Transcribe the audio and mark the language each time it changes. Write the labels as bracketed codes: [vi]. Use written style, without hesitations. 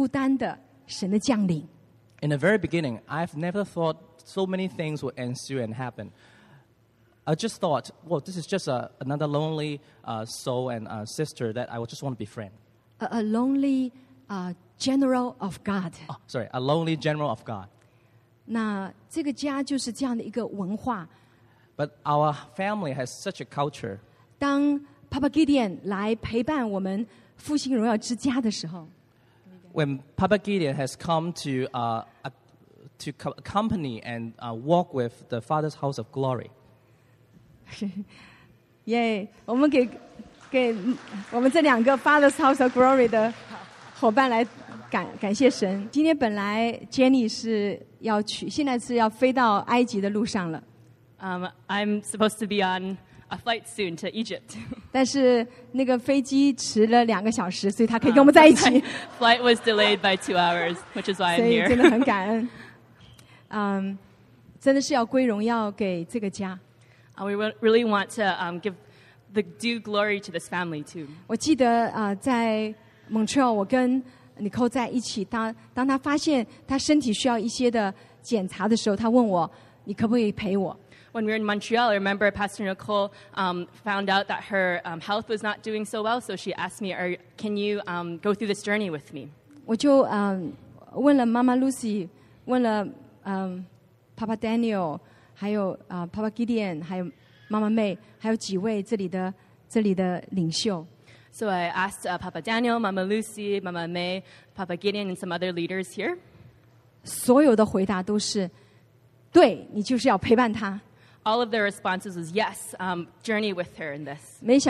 [zh] 刚开始的时候，真的没有想到后面有这么多的事情会发生。我只是遇见一个非常孤单的神的降临。In [en] the very beginning, I've never thought so many things would ensue and happen. I just thought, well, this is just another lonely soul and sister that I would just want to befriend. A lonely general of God. Oh, sorry, a lonely general of God. [zh] 那这个家就是这样的一个文化。 [en] But our family has such a culture. [zh] 当 Papa Gideon 来陪伴我们复兴荣耀之家的时候, [en] when Papa Gideon has come to accompany and walk with the Father's House of Glory. [zh] Yay! 我们给我们这两个 Father's House of Glory 的伙伴来感谢神。今天本来 Jenny 是要去，现在是要飞到埃及的路上了。 [en] I'm supposed to be on a flight soon to Egypt. [zh] 但是那个飞机迟了两个小时, 所以他可以跟我们在一起。 [en] Flight was delayed by 2 hours, which is why I'm here. [zh] 所以真的很感恩。真的是要归荣耀给这个家。 [en] We really want to give the due glory to this family too. [zh] 我记得 在 Montreal, 我跟 Nicole 在一起, 当他发现他身体需要一些的检查的时候, 他问我, 你可不可以陪我? [en] When we were in Montreal, I remember Pastor Nicole found out that her health was not doing so well, so she asked me, can you go through this journey with me? [zh] 我就 问了 Mama Lucy, 问了 Papa Daniel, 还有 Papa Gideon, 还有 Mama May, 还有几位这里的领袖。 [en] So I asked Papa Daniel, Mama Lucy, Mama May, Papa Gideon, and some other leaders here. [zh] 所有的回答都是, 对, 你就是要陪伴他。 [en] All of their responses was yes, journey with her in this.